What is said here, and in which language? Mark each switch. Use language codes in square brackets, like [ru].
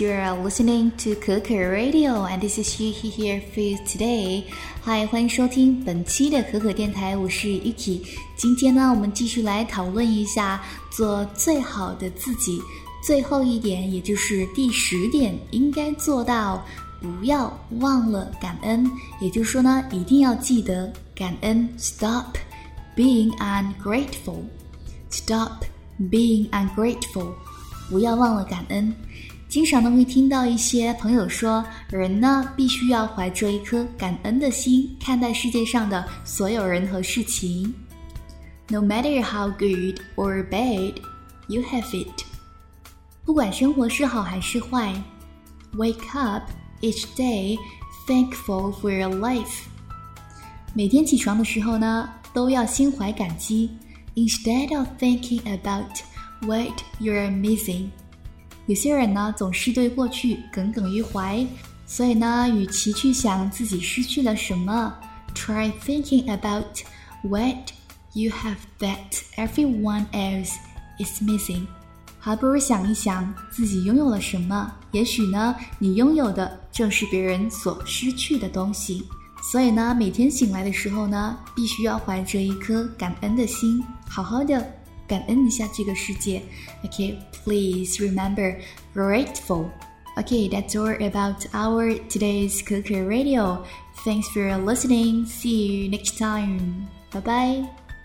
[en] You are listening to Keke Radio, and this is Yuki here for you today. [zh] Hi, 欢迎收听本期的可可电台，我是 Yuki。今天呢，我们继续来讨论一下做最好的自己。最后一点，也就是第十点，应该做到不要忘了感恩。也就是说呢，一定要记得感恩。 [en] Stop being ungrateful. Stop being ungrateful. [zh] 不要忘了感恩。经常呢会听到一些朋友说，人呢必须要怀着一颗感恩的心看待世界上的所有人和事情。 [en] No matter how good or bad, you have it. [zh] 不管生活是好还是坏， [en] Wake up each day thankful for your life. [zh] 每天起床的时候呢都要心怀感激， [en] Instead of thinking aboutWhat you're missing. [zh] 有些人呢总是对过去耿耿于怀，所以呢与其去想自己失去了什么， [en] Try thinking about what you have that everyone else is missing. [zh] 还不如想一想自己拥有了什么，也许呢你拥有的正是别人所失去的东西。所以呢每天醒来的时候呢必须要怀着一颗感恩的心，好好的感恩一下这个世界。 [en] Okay, please remember grateful. Okay, that's all about our today's Keke Radio. Thanks for listening. See you next time. Bye bye.